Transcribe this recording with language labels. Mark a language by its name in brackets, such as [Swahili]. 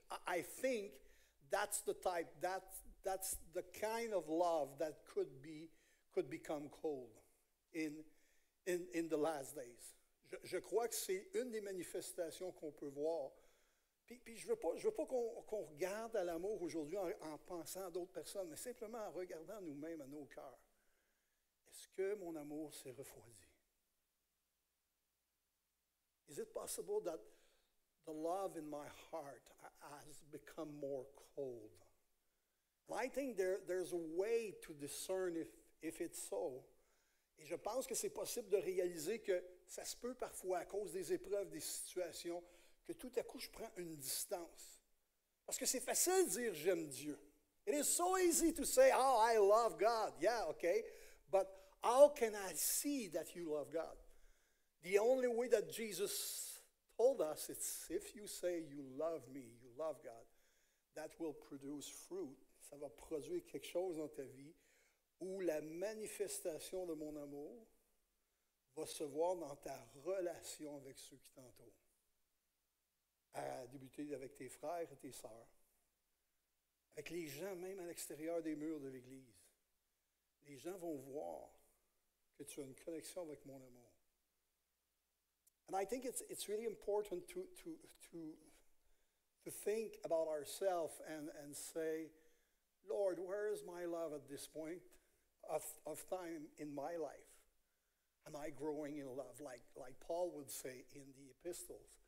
[English] I think that's the type, that's the kind of love that could become cold in the last days. [French] Je crois que c'est une des manifestations qu'on peut voir. Puis je veux pas qu'on regarde à l'amour aujourd'hui en pensant à d'autres personnes, mais simplement en regardant nous-mêmes, à nos cœurs. Est-ce que mon amour s'est refroidi? [English] Is it possible that the love in my heart has become more cold? Well, I think there's a way to discern if it's so. [French] Et je pense que c'est possible de réaliser que ça se peut parfois à cause des épreuves, des situations, que tout à coup, je prends une distance. Parce que c'est facile de dire « j'aime Dieu ». [English] It is so easy to say « oh, I love God ». Yeah, okay. But how can I see that you love God? The only way that Jesus told us, it's if you say you love me, you love God, that will produce fruit. [French] Ça va produire quelque chose dans ta vie où la manifestation de mon amour va se voir dans ta relation avec ceux qui t'entourent. À débuter avec tes frères et tes sœurs, avec les gens même à l'extérieur des murs de l'Église. Les gens vont voir que tu as une connexion avec mon amour. [English] And I think it's really important to think about ourselves and say, Lord, where is my love at this point of time in my life? Am I growing in love? Like Paul would say in the epistles.